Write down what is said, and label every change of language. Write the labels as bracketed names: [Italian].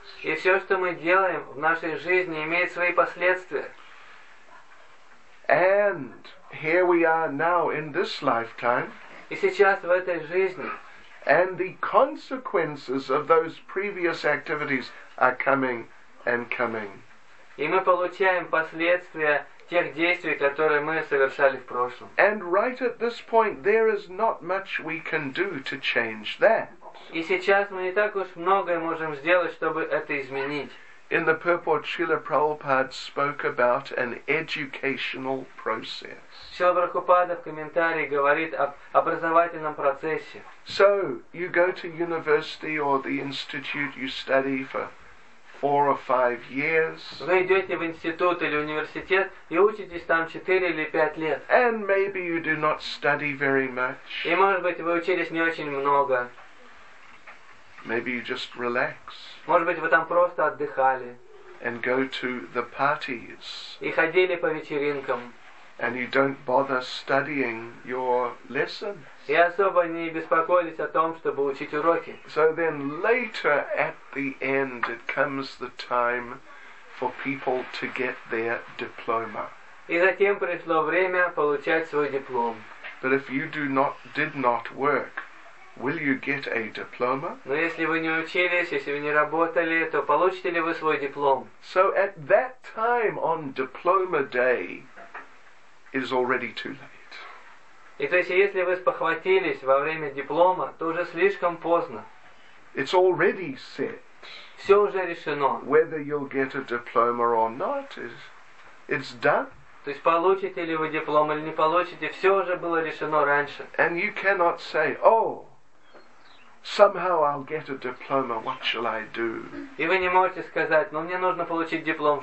[Russian] И все, что мы делаем в нашей жизни, имеет свои последствия. [English] And here we are now in this lifetime. [Russian] И сейчас в этой жизни. [English] And the consequences of those previous activities are coming and coming. [Russian] И мы получаем последствия тех действий, которые мы совершали в прошлом. [English] And right at this point, there is not much we can do to change that. [Russian] И сейчас мы не так уж многое можем сделать, чтобы это изменить. [English] In the purport, Srila Prabhupada spoke about an educational process. [Russian] Srila Prabhupada в комментарии говорит об образовательном процессе. [English] So, you go to university or the institute, you study for 4 or 5 years. [Russian] Вы идете в институт или университет и учитесь там 4 или 5 лет. [English] And maybe you do not study very much. [Russian] И может быть вы учились не очень много. [English] Maybe you just relax. [Russian] Может быть вы там просто отдыхали. [English] And go to the parties. [Russian] И ходили по вечеринкам. [English] And you don't bother studying your lessons. [Russian] И особо не беспокоились о том, чтобы учить уроки. [English] So then later at the end it comes the time for people to get their diploma. [Russian] И затем пришло время получать свой диплом. [English] But if you did not work, will you get a diploma? [Russian] Но если вы не учились, если вы не работали, то получите ли вы свой диплом? [English] So at that time on diploma day, it is already too late. [Russian] И то есть, если вы спохватились во время диплома, то уже слишком поздно. [English] It's already set. [Russian] Все уже решено. [English] Whether you'll get a diploma or not is, it's done. [Russian] То есть получите ли вы диплом или не получите, все уже было решено раньше. [English] And you cannot say, oh, somehow I'll get a diploma. What shall I do? [Russian] И вы не можете сказать: "Но мне нужно получить диплом.